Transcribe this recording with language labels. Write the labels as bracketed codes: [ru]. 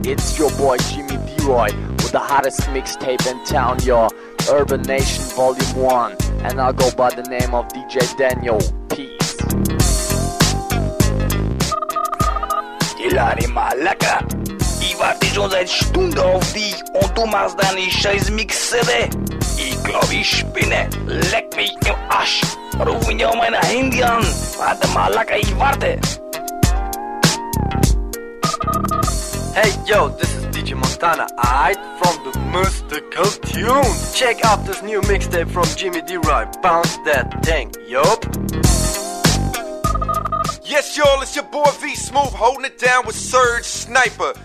[en] It's your boy Jimmy Deroy with the hottest mixtape in town, y'all. Urban Nation, Volume 1. And I'll go by the name of DJ Daniel. [de] Lari Malaka, ich warte schon seit Stunden auf dich und du machst deine scheiß Mix-CD. Ich glaub ich spinne, leck mich im Arsch, ruf mich auf mein Handy an, warte Malaka, ich warte. [en] Hey yo, this is DJ Montana, I'm from the Mystical Tune. Check out this new mixtape from Jimmy Deroy, Bounce That Thing, yup. Yes, y'all, it's your boy V-Smooth holding it down with Surge Sniper.